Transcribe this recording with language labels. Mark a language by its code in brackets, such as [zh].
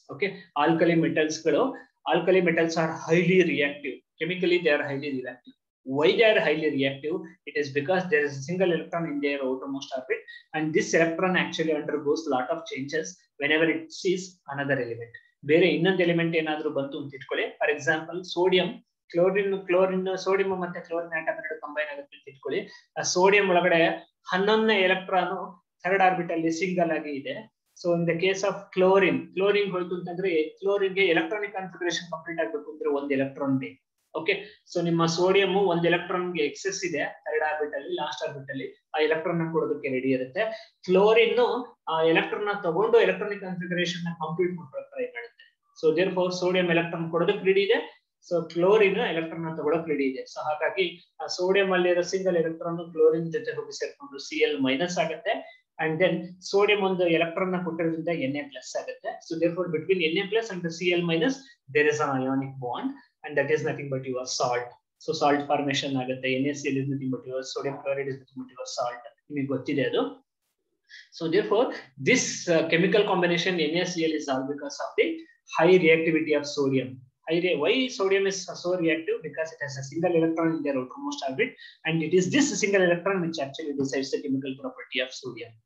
[en] Okay, alkali metals kalo, alkali metals are highly reactive. Chemically they are highly reactive. Why they are highly reactive? It is because there is a single electron in their outermost orbit, and this electron actually undergoes a lot of changes whenever it sees another element. [kn] ಬೇರೆ ಇನ್ನೊಂದು element ಏನಾದರೂ ಬಂತು ಅಂತ ಇಟ್ಕೊಳ್ಳಿ. For example, sodium chlorine chlorine sodium ಮತ್ತೆ chlorine atom ಎರಡು combine ಆಗುತ್ತೆ ಅಂತ ಇಟ್ಕೊಳ್ಳಿ. ಆ ಸೋಡಿಯಂ ಒಳಗಡೆ 11ನೇ ಎಲೆಕ್ಟ್ರಾನ್ ಥರ್ಡ್ ಆರ್ಬಿಟ್ ಅಲ್ಲಿ ಸಿಂಗಲ್ ಆಗಿ ಇದೆ. So in the case of chlorine, chlorine ಹೋಯ್ತು ಅಂತಂದ್ರೆ ಕ್ಲೋರಿನ್ಗೆ ಎಲೆಕ್ಟ್ರಾನಿಕ್ ಕಾನ್ಫಿಗರೇಷನ್ ಕಂಪ್ಲೀಟ್ ಆಗಬೇಕು ಅಂದ್ರೆ ಒಂದು ಎಲೆಕ್ಟ್ರಾನ್ ಬೇಕು. ಓಕೆ, ಸೊ ನಿಮ್ಮ ಸೋಡಿಯಂ ಒಂದು ಎಲೆಕ್ಟ್ರಾನ್ಗೆ ಎಕ್ಸೆಸ್ ಇದೆ ಥರ್ಡ್ ಆರ್ಬಿಟ್ ಅಲ್ಲಿ, ಲಾಸ್ಟ್ ಆರ್ಬಿಟ್ ಅಲ್ಲಿ ಆ ಎಲೆಕ್ಟ್ರಾನ್ ಕೊಡೋದಕ್ಕೆ ರೆಡಿ ಇರುತ್ತೆ. ಕ್ಲೋರಿನ್ ಆ ಎಲೆಕ್ಟ್ರಾನ್ ತಗೊಂಡು ಎಲೆಕ್ಟ್ರಾನಿಕ್ ಕಾನ್ಫಿಗರೇಷನ್ ಕಂಪ್ಲೀಟ್ ಮಾಡೋಕೆ ಟ್ರೈ ಮಾಡುತ್ತೆ. So there four sodium electron ಕೊಡೋದಕ್ಕೆ ರೆಡಿ ಇದೆ, ಸೊ ಕ್ಲೋರಿನ್ ಎಲೆಕ್ಟ್ರಾನ್ ತಗೊಳಕ್ ರೆಡಿ ಇದೆ. ಸೊ ಹಾಗಾಗಿ ಆ ಸೋಡಿಯಂ ಅಲ್ಲಿ ಇರೋ ಸಿಂಗಲ್ ಎಲೆಕ್ಟ್ರಾನ್ ಕ್ಲೋರಿನ್ ಜೊತೆ ಹೋಗಿ ಸೇರ್ಕೊಂಡು ಸಿ ಎಲ್ ಮೈನಸ್ ಆಗುತ್ತೆ, ಅಂಡ್ ದೆನ್ ಸೋಡಿಯಂ ಒಂದು ಎಲೆಕ್ಟ್ರಾನ್ ಕೊಟ್ಟಿರೋದ್ರಿಂದ ಎನ್ ಎ ಪ್ಲಸ್ ಆಗುತ್ತೆ. [en] So therefore between N A plus and C L minus there is an ionic bond, and that is nothing but your salt. [kn] So salt formation ಆಗುತ್ತೆ. [en] N A C L is nothing but your sodium chloride, is nothing but your salt, [kn] ನಿಮಗೆ ಗೊತ್ತಿದೆ ಅದು. [en] So therefore, this chemical combination NaCl is all because of the high reactivity of sodium. Why sodium is so reactive? Because it has a single electron in their outermost orbit, and it is this single electron which actually decides the chemical property of sodium.